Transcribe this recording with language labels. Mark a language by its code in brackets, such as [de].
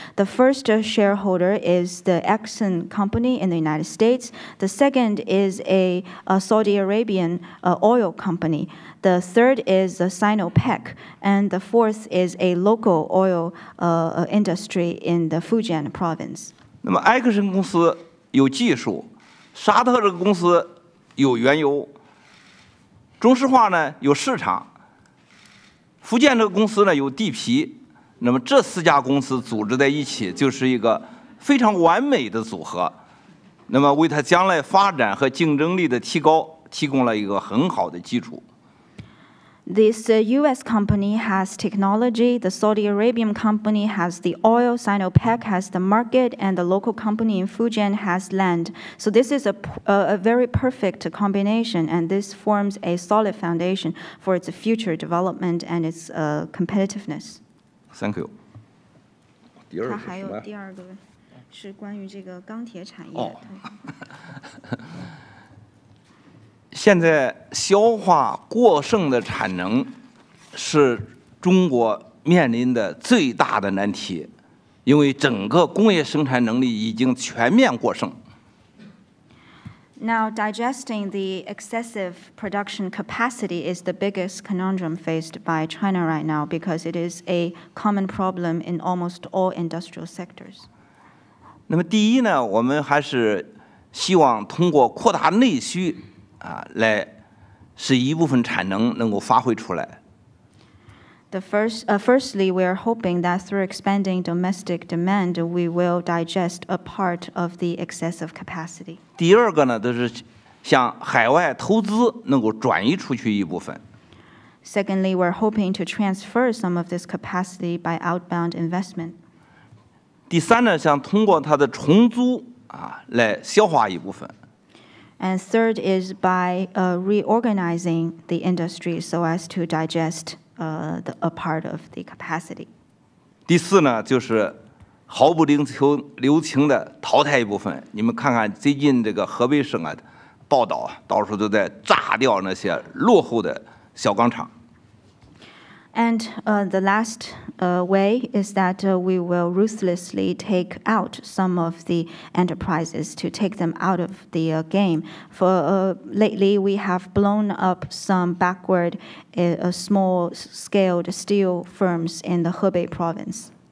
[en] The first shareholder is the Exxon company in the United States. The second is a Saudi Arabian oil company. The third is the Sinopec, and the fourth is a local oil industry in the Fujian province. [zh] 那么埃克森公司有技术，沙特这个公司有原油，中石化呢有市场，福建这个公司呢有地皮，那么这四家公司组织在一起就是一个非常完美的组合，那么为它将来发展和竞争力的提高提供了一个很好的基础。 [en] This U.S. company has technology, the Saudi Arabian company has the oil, Sinopec has the market, and the local company in Fujian has land. So this is a very perfect combination, and this forms a solid foundation for its future development and its competitiveness. Thank you. [zh] 第二个是关于这个钢铁产业。现在消化过剩的产能是中国面临的最大的难题，因为整个工业生产能力已经全面过剩。 [en] Now, digesting the excessive production capacity is the biggest conundrum faced by China right now because it is a common problem in almost all industrial sectors. [zh] 那么第一呢，我们还是希望通过扩大内需来使一部分产能能够发挥出来。 [en] Firstly, we are hoping that through expanding domestic demand, we will digest a part of the excessive capacity. [zh] 第二个呢，就是向海外投资能够转移出去一部分。 [en] Secondly, we are hoping to transfer some of this capacity by outbound investment. [zh] 第三呢，想通过它的重组来消化一部分。 [en] And third is by reorganizing the industry so as to digest a part of the capacity. [zh] 第四呢，就是毫不留情的淘汰一部分。你们看看最近这个河北省啊，报道到处都在炸掉那些落后的小钢厂。 [en] And the last way is that we will ruthlessly take out some of the enterprises to take them out of the game. For lately, we have blown up some backward, small-scaled steel firms in the Hebei province.